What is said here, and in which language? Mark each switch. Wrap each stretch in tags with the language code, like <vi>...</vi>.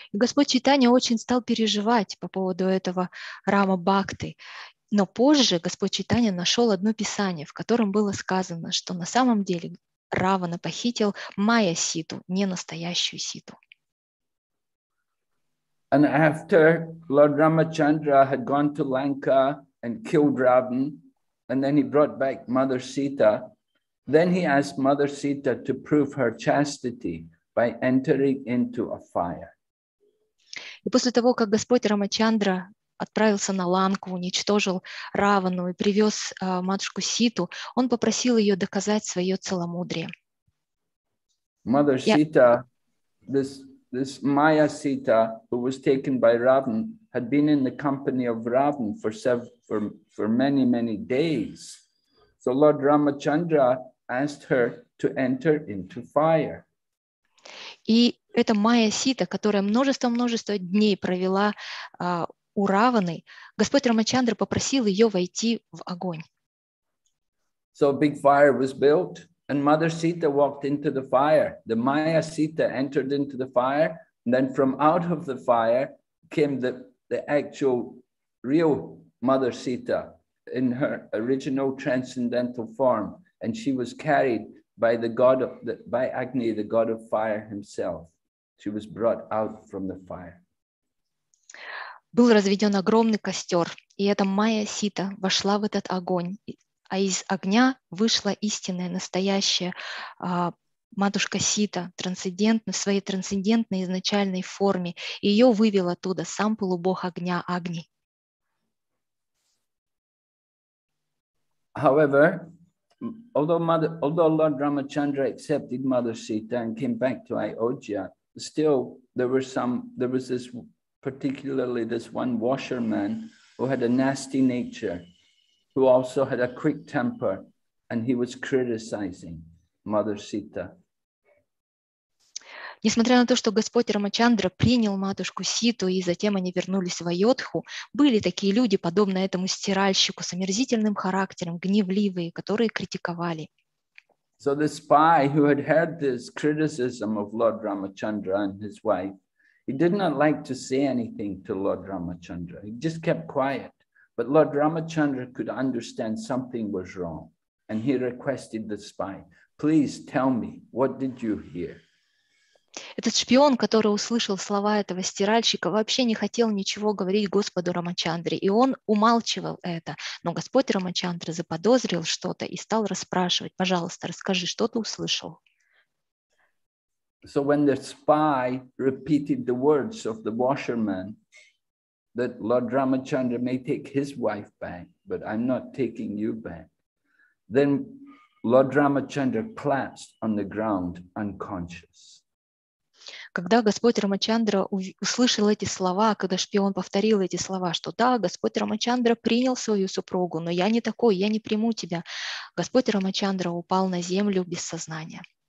<ru>Господь Чайтанья очень стал переживать по поводу этого Рама Бхакты. Но позже Господь Чайтанья нашел одно писание, в котором было сказано, что на самом деле Равана похитил Майя Ситу, не настоящую Ситу.</ru> <en>And after Lord Ramachandra had gone to Lanka and killed Ravan, and then he brought back Mother Sita, then he asked Mother Sita to prove her chastity by entering into a fire.</en> <ru>И после того, как Господь Рамачандра отправился на Ланку, уничтожил Равану и привез матушку Ситу, он попросил ее доказать свое целомудрие.</ru> <en>Mother Sita, this Maya Sita, who was taken by Ravan, had been in the company of Ravan for many, many days. So Lord Ramachandra asked her to enter into fire.</en> <ru>И эта Майя Сита, которая множество-множество дней провела у Раваны, Господь Рамачандра попросил ее войти в огонь.</ru> <en>So a big fire was built, and Mother Sita walked into the fire. The Maya Sita entered into the fire, and then from out of the fire came the actual real Mother Sita in her original transcendental form, and she was carried by the god of by Agni, the god of fire himself. She was brought out from the fire.</en> <ru>Был разведен огромный костер, и эта Майя Сита вошла в этот огонь, а из огня вышла истинная, настоящая матушка Сита, трансцендентная в своей трансцендентной изначальной форме. Ее вывел оттуда сам полубог огня Агни.</ru> <en>However, although Lord Ramachandra accepted Mother Sita and came back to Ayodhya, still there was this, particularly this one washerman who had a nasty nature, who also had a quick temper, and he was criticizing Mother Sita.</en> <ru>Несмотря на то, что Господь Рамачандра принял матушку Ситу и затем они вернулись в Айодху, были такие люди, подобно этому стиральщику, с омерзительным характером, гневливые, которые критиковали.</ru> <en>So the spy who had heard this criticism of Lord Ramachandra and his wife, he did not like to say anything to Lord Ramachandra. He just kept quiet. But Lord Ramachandra could understand something was wrong. And he requested the spy, please tell me, what did you hear?</en> <ru>Этот шпион, который услышал слова этого стиральщика, вообще не хотел ничего говорить Господу Рамачандре, и он умалчивал это. Но Господь Рамачандра заподозрил что-то и стал расспрашивать. Пожалуйста, расскажи, что ты услышал?</ru> <en>So when the spy repeated the words of the washerman, that Lord Ramachandra may take his wife back, but I'm not taking you back, then Lord Ramachandra collapsed on the ground unconscious.</en> <ru>Когда Господь Рамачандра услышал эти слова, когда шпион повторил эти слова, что да, Господь Рамачандра принял свою супругу, но я не такой, я не приму тебя. Господь Рамачандра упал на землю без сознания.</ru>